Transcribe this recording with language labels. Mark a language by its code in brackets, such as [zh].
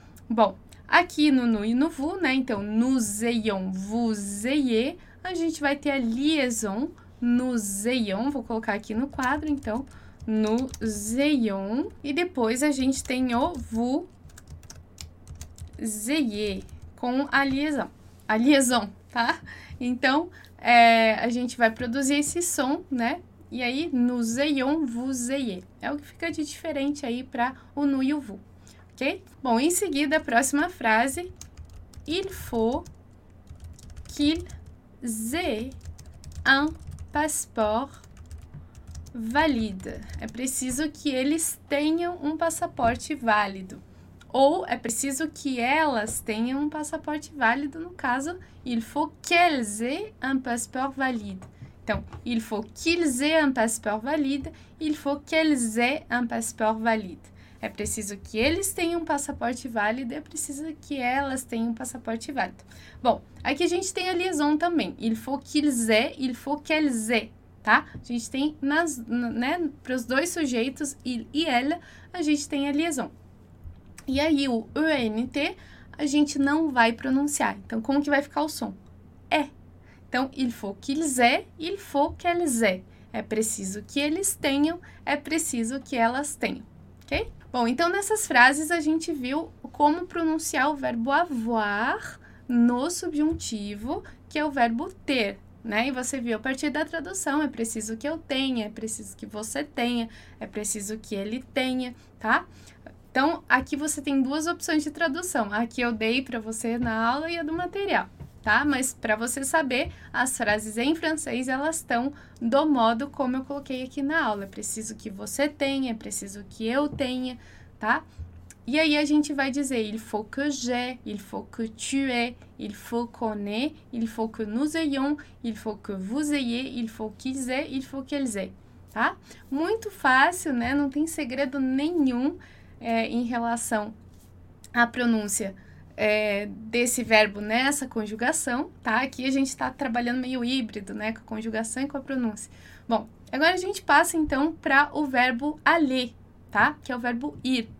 [pt] Bom, aqui no nous e no vous, né? Então, nous ayons, vous ayez, a gente vai ter a liaison, nous ayons, vou colocar aqui no quadro, então, nous ayons, e depois a gente tem o vous ayez, com a liaison. A liaison, tá? Então, a gente vai produzir esse som, né? E aí, nous ayons, vous ayez. É o que fica de diferente aí para o nous e o vous, ok? Bom, em seguida, a próxima frase. [fr] Il faut qu'ils aient un passeport Valida. [pt] É preciso que eles tenham um passaporte válido. Ou é preciso que elas tenham um passaporte válido, no caso, [fr] il faut qu'elles aient un passeport valide. Então, il faut qu'ils aient un passeport valide, il faut qu'elles aient un passeport valide. [pt] É preciso que eles tenham um passaporte válido, é preciso que elas tenham um passaporte válido. Bom, aqui a gente tem a liaison também. [fr] Il faut qu'ils aient, il faut qu'elles aient. [pt] Tá? A gente tem para os dois sujeitos, il e ela, a gente tem a liaison. E aí o ENT a gente não vai pronunciar. Então, como que vai ficar o som? É. Então, [fr] il faut qu'ils aient, il faut qu'elles aient. [pt] É preciso que eles tenham, é preciso que elas tenham. Ok? Bom, então nessas frases a gente viu como pronunciar o verbo avoir no subjuntivo, que é o verbo ter. Né? E você viu a partir da tradução, é preciso que eu tenha, é preciso que você tenha, é preciso que ele tenha, tá? Então, aqui você tem duas opções de tradução. A que eu dei para você na aula e a do material, tá? Mas para você saber, as frases em francês, elas estão do modo como eu coloquei aqui na aula. É preciso que você tenha, é preciso que eu tenha, tá? E aí a gente vai dizer [fr] il faut que j'aie, il faut que tu aies, il faut qu'on ait, il faut que nous ayons, il faut que vous ayez, il faut qu'ils aient, il faut qu'elles aient, tá? [pt] Muito fácil, né? Não tem segredo nenhum em relação à pronúncia desse verbo nessa conjugação, tá? Aqui a gente está trabalhando meio híbrido, né? Com a conjugação e com a pronúncia. Bom, agora a gente passa então para o verbo aller, tá? Que é o verbo ir.